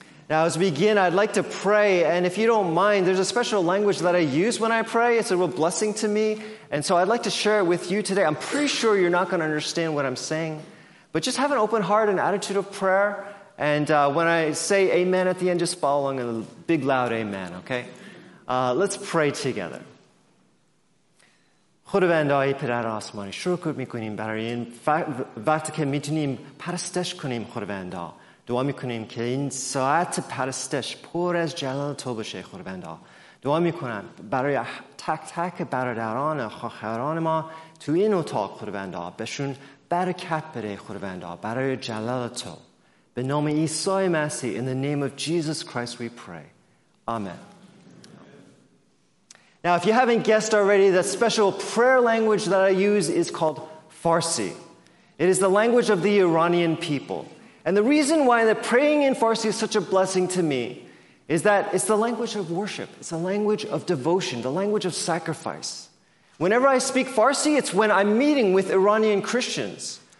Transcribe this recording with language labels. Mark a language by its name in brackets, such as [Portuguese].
[English] Now, as we begin, I'd like to pray. And if you don't mind, there's a special language that I use when I pray. It's a real blessing to me. And so I'd like to share it with you today. I'm pretty sure you're not going to understand what I'm saying. But just have an open heart and attitude of prayer. And when I say amen at the end, just follow along in a big, loud amen, okay? Let's pray together. [Persian] خداوندای پدر آسمانی شکر میکنیم برای این وقت که میتونیم پرستش کنیم خداوندا دعا میکنیم که این ساعت پرستش پر از جلال تو بشه خداوندا دعا میکنم برای تک تک برادران و خواهران ما تو این اتاق خداوندا بهشون برکت بده خداوندا برای جلال تو به نام عیسی مسیح [English] in the name of Jesus Christ we pray amen. Now, if you haven't guessed already, the special prayer language that I use is called Farsi. It is the language of the Iranian people. And the reason why that praying in Farsi is such a blessing to me is that it's the language of worship. It's the language of devotion, the language of sacrifice. Whenever I speak Farsi, it's when I'm meeting with Iranian Christians.